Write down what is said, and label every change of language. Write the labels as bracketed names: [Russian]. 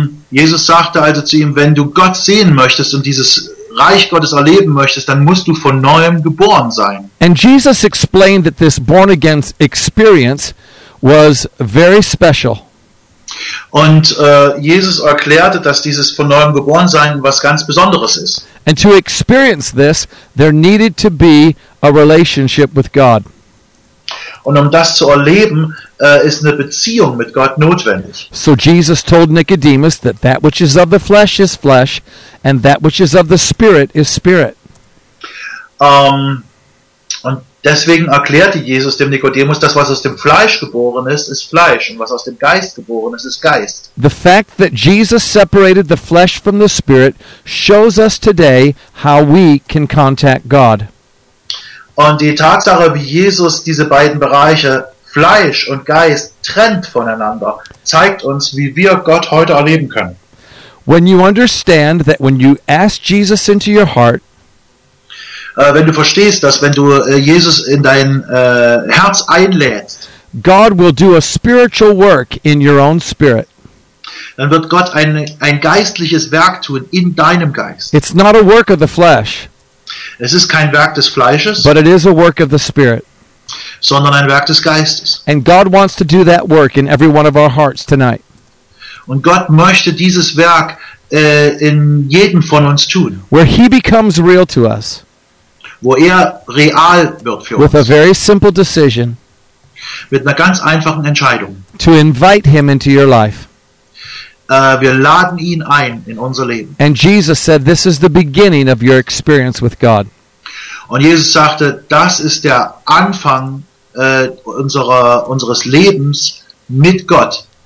[German] Jesus sagte also zu ihm, wenn du Gott sehen möchtest und dieses Reich Gottes erleben möchtest, dann musst du von neuem geboren sein. [English] And Jesus explained that this born again experience was very special. [German] Und Jesus erklärte, dass dieses von neuem geboren sein was ganz Besonderes ist. [English] And to experience this, there needed to be a relationship with God. [German] Und um das zu erleben, ist eine Beziehung mit Gott notwendig. [English] So Jesus told Nicodemus that that which is of the flesh is flesh, and that which is of the spirit is spirit. [German] Und deswegen erklärte Jesus dem Nicodemus, dass was aus dem Fleisch geboren ist Fleisch, und was aus dem Geist geboren ist Geist. [English] The fact that Jesus separated the flesh from the spirit shows us today how we can contact God. [German] Und die Tatsache, wie Jesus diese beiden Bereiche Fleisch und Geist trennt voneinander, zeigt uns, wie wir Gott heute erleben können. [English] When you understand that when you ask Jesus into your heart, [German] wenn du verstehst, dass wenn du Jesus in dein Herz einlädst, [English] God will do a spiritual work in your own spirit. [German] Dann wird Gott ein geistliches Werk tun in deinem Geist. [English] It's not a work of the flesh. [German] Es ist kein Werk des Fleisches, [English] but it is a work of the Spirit. [German] Sondern ein Werk des Geistes. [English] And God wants to do that work in every one of our hearts tonight. [German] Und Gott möchte dieses Werk in jedem von uns tun. [English] Where he becomes real to us. [German] Wo real wird für [English] with A very simple decision. [German] Mit einer ganz einfachen Entscheidung. [English] To invite him into your life. [German] Wir laden ihn ein in unser Leben. [English] And Jesus said, this is the beginning of your experience with God. [German] Und Jesus sagte, das ist der Anfang unseres Lebens mit Gott.